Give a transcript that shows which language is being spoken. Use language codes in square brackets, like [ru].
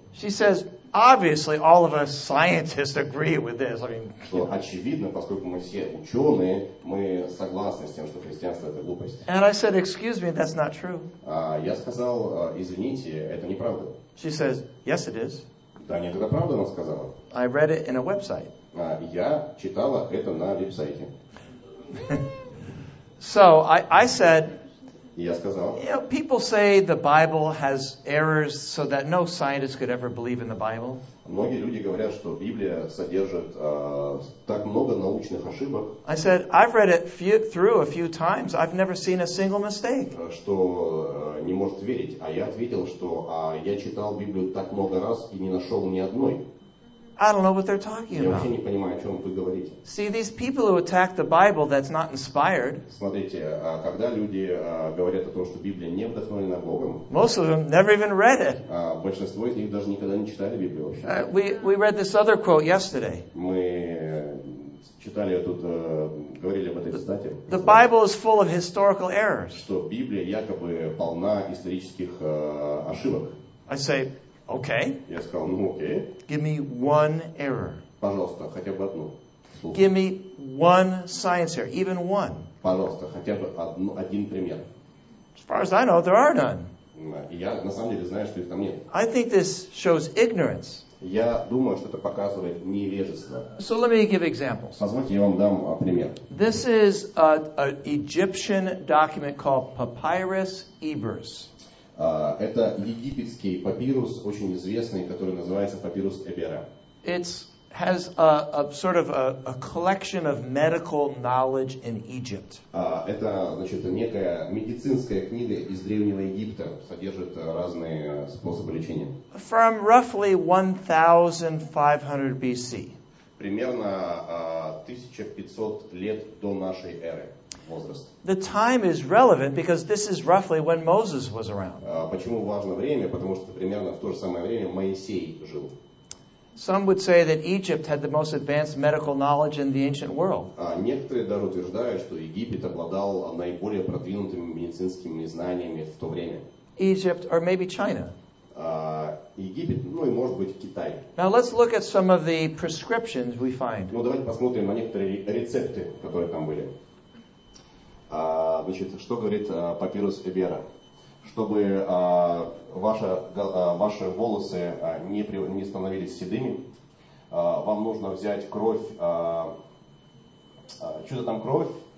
[en] She says, obviously all of us scientists agree with this. I mean, [ru] очевидно, поскольку мы все ученые, мы согласны с тем, что христианство это глупость. [en] And I said, excuse me, that's not true. [ru] А я сказал, извините, это неправда. [en] She says, yes it is. [ru] Да нет, это правда, она сказала. [en] I read it in a website. [ru] А я читала это на веб-сайте. [en] So I said, you know, people say the Bible has errors so that no scientist could ever believe in the Bible. [ru] Многие люди говорят, что Библия содержит так много научных ошибок. [en] I said, I've read it through a few times. I've never seen a single mistake. [ru] Что не может верить. А я ответил, что я читал Библию так много раз и не нашел ни одной. [en] I don't know what they're talking about. [ru] Я вообще не понимаю, о чем вы говорите. [en] See, these people who attack the Bible that's not inspired. [ru] Смотрите, когда люди говорят о том, что Библия не вдохновлена Богом. [en] Most of them never even read it. [ru] Большинство из них даже никогда не читали Библию вообще. [en] We read this other quote yesterday. [ru] Мы читали тут говорили об этой цитате. [en] The Bible is full of historical errors. [ru] Что Библия якобы полна исторических ошибок. [en] I say. Okay. [ru] Я сказал, ну окей. [en] Give me one error. [ru] Пожалуйста, хотя бы одну. [en] Give me one science error, even one. [ru] Пожалуйста, хотя бы один пример. [en] As far as I know, there are none. [ru] Я на самом деле знаю, что их там нет. [en] I think this shows ignorance. [ru] Я думаю, что это показывает невежество. [en] So let me give examples. [ru] Позвольте, я вам дам пример. [en] This is an Egyptian document called Papyrus Ebers. [ru] Это египетский папирус, очень известный, который называется папирус Эбера. [en] It has a sort of a collection of medical knowledge in Egypt. [ru] Это, значит, некая медицинская книга из древнего Египта, содержит разные способы лечения. [en] From roughly 1500 BC. [ru] Примерно 1500 лет до нашей эры. [en] The time is relevant because this is roughly when Moses was around. [ru] Почему важно время? Потому что примерно в то же самое время Моисей жил. [en] Some would say that Egypt had the most advanced medical knowledge in the ancient world. [ru] Некоторые даже утверждают, что Египет обладал наиболее продвинутыми медицинскими знаниями в то время. [en] Egypt or maybe China. [ru] Египет, ну и может быть Китай. [en] Now let's look at some of the prescriptions we find. [ru] Ну давайте посмотрим на некоторые рецепты, которые там были. Значит, что говорит папирус Эбера? Чтобы ваши волосы не становились седыми, вам нужно взять кровь, что-то там кровь?